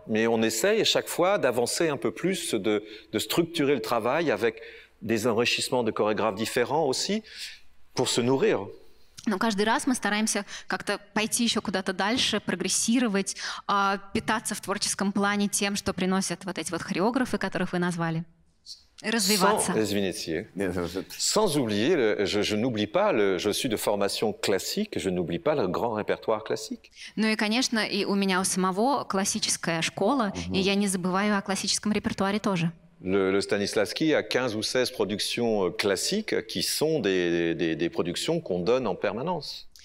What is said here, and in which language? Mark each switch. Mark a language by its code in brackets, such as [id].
[fr] Mais on essaye chaque fois d'avancer un peu plus, de structurer le travail avec des enrichissements de chorégraphes différents aussi, pour se nourrir. [ru] Но каждый раз мы стараемся как-то пойти еще куда-то дальше, прогрессировать, питаться в творческом плане тем, что приносят вот эти вот хореографы, которых вы назвали. Развиваться. Извините. [fr] Sans oublier, je n'oublie pas, je suis de formation classique, je n'oublie pas le grand répertoire classique. [ru] Ну и, конечно, и у меня у самого классическая школа, и я не забываю о классическом репертуаре тоже. [fr] Le Stanislavski a 15 ou 16 productions classiques qui sont des productions qu'on donne en permanence.